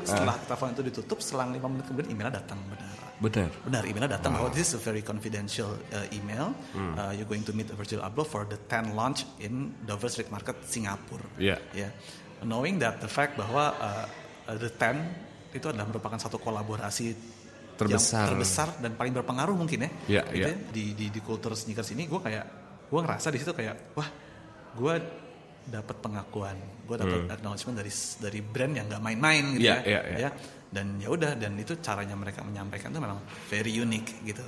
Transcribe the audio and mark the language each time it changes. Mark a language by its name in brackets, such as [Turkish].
[Indonesian] Setelah telepon itu ditutup, selang 5 menit kemudian emailnya datang. Benar. Emailnya datang bahwa [English] this is a very confidential email. You're going to meet Virgil Abloh for the 10 launch in Dover Street Market, Singapura. Knowing that the fact [Indonesian] bahwa the 10 itu adalah merupakan satu kolaborasi terbesar dan paling berpengaruh mungkin ya. Di culture sneakers ini, gue ngerasa di situ kayak, wah, gue dapat pengakuan, gue dapat acknowledgement dari brand yang gak main-main gitu dan ya udah, dan itu caranya mereka menyampaikan itu memang [English] very unique [Indonesian] gitu.